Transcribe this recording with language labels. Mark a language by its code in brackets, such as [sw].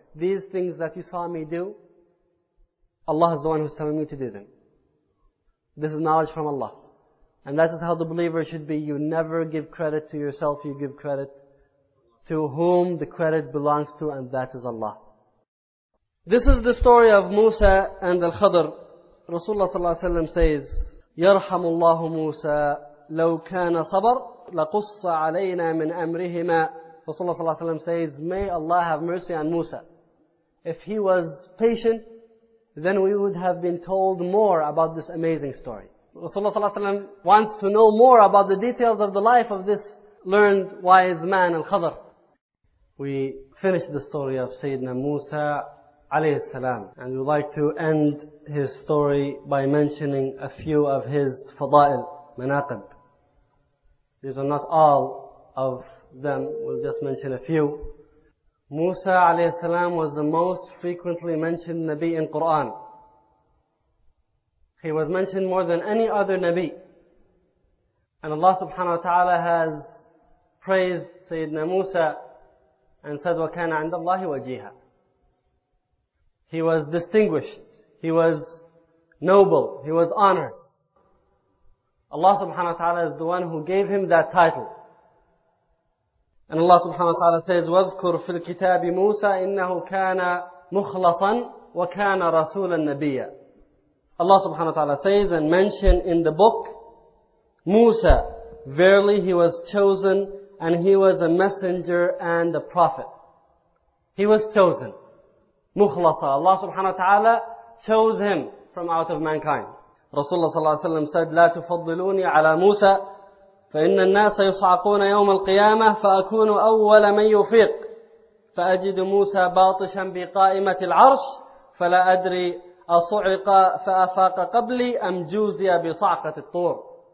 [en] These things that you saw me do, Allah is the one who is telling me to do them. This is knowledge from Allah. And that is how the believer should be. You never give credit to yourself, you give credit to whom the credit belongs to, and that is Allah. This is the story of Musa and Al-Khadr. Rasulullah sallallahu alayhi wa sallam says, [ar] يَرْحَمُ اللَّهُ مُوسَى لَوْ كَانَ صَبَرْ لَقُصَّ عَلَيْنَا مِنْ أَمْرِهِمَا. [en] Rasulullah sallallahu alayhi wa sallam says, may Allah have mercy on Musa. If he was patient, then we would have been told more about this amazing story. Rasulullah sallallahu alayhi wa sallam wants to know more about the details of the life of this learned wise man Al-Khadr. We finish the story of Sayyidina Musa alayhi salam, and we'd like to end his story by mentioning a few of his fada'il, manaqib. These are not all of them, we'll just mention a few. Musa alayhi salam was the most frequently mentioned Nabi in Quran. He was mentioned more than any other Nabi. And Allah subhanahu wa ta'ala has praised Sayyidina Musa and said, [ar] وَكَانَ عِنْدَ اللَّهِ وَجِيهًا. [en] He was distinguished, he was noble, he was honored. Allah subhanahu wa ta'ala is the one who gave him that title. And Allah subhanahu wa ta'ala says, [ar] وَذْكُرْ فِي الْكِتَابِ مُوسَى إِنَّهُ كَانَ مُخْلَصًا وَكَانَ رَسُولًا نَبِيًّا. [en] Allah subhanahu wa ta'ala says, and mention in the book, Musa, verily he was chosen, and he was a messenger and a prophet. He was chosen. Mukhlasa. Allah subhanahu wa ta'ala chose him from out of mankind. Rasulullah sallallahu alayhi wa sallam said, [ar] لَا تُفَضِّلُونِي عَلَى مُوسَى فَإِنَّ النَّاسَ يُصْعَقُونَ يَوْمَ الْقِيَامَةِ فَأَكُونُ أَوَّلَ مَنْ يُفِيقُ فَأَجِدُ مُوسَى بَاطِشًا بِقَائِمَةِ الْعَرْشِ فَلَا أَدْرِي أَصُعِقَ فَأَفَاقَ قَبْلِي أَمْ جُوزِيَ بِصَعْقَةِ الطُّورِ.